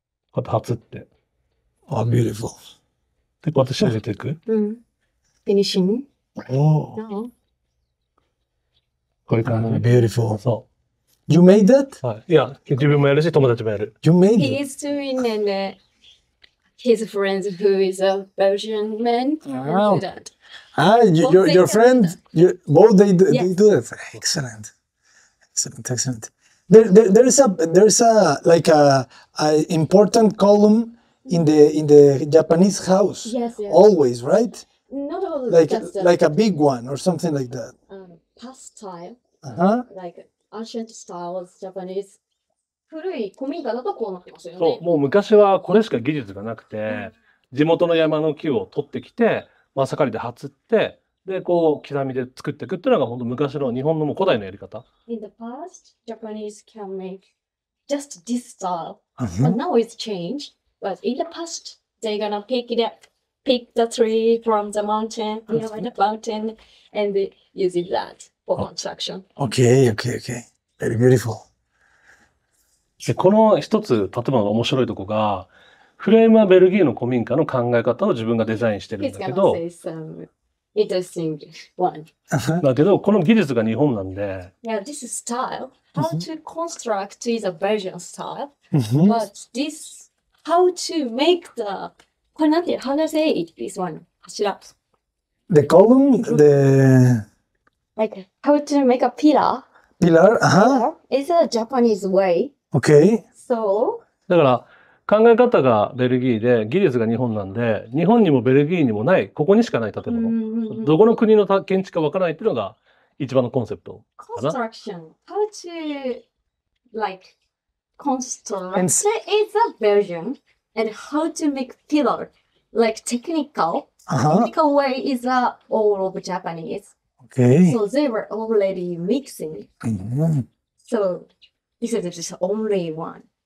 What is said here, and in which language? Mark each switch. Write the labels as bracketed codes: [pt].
[ja] こうやって初って。 [en] Oh, beautiful。 [ja] で、こうやって仕上げていく。うん。フィニッシング。おお。これかな。 [en] Beautiful。 [ja] そう。 [en] You made that? [ja] はい。いや、自分もやるし、友達もやる。 [en] You made it? He is doing and his friend who is a Belgian man do that. Ah, your friend, both they do that. Excellent. There's a like a important column. In the Japanese house, yes, yes. Always, right? Not always, like a big one or something like that. Past style, uh-huh. Like ancient style of Japanese. [ja] 古い古民家だとこうなってますよね。そう、もう昔はこれしか技術がなくて、地元の山の木を取ってきて、マサカリで掘って、でこう刻みで作っていくっていうのが本当昔の日本のもう古代のやり方。 [en] In the past, Japanese can make just this style, but now it's changed. But in the past, they're gonna pick the tree from the mountain, nearby the mountain, and use that for construction. Okay. Very beautiful. [ja] この一つ建物の面白いとこが、フレームはベルギーの古民家の考え方を自分がデザインしてるんだけど、 [en] He's gonna say some interesting one. [ja] だけど、この技術が日本なんで。 [en] Yeah, this is style. How to construct is a Belgian style. But this... How to make the, [ja] これなんて言う、 [en] how to say it, this one, 柱。 The column, the... Like, how to make a pillar. Pillar, It's a Japanese way. Okay. So... [ja] だから、考え方がベルギーで、技術が日本なんで、日本にもベルギーにもない、ここにしかない建物。 Mm-hmm. どこの国の建築かわからないっていうのが、一番のコンセプトかな。 [en] Construction, how to, like... Construct is a Belgian, and how to make pillar, like technical way is all of Japanese. Okay. So they were already mixing. Mm-hmm. So He said it's the only one.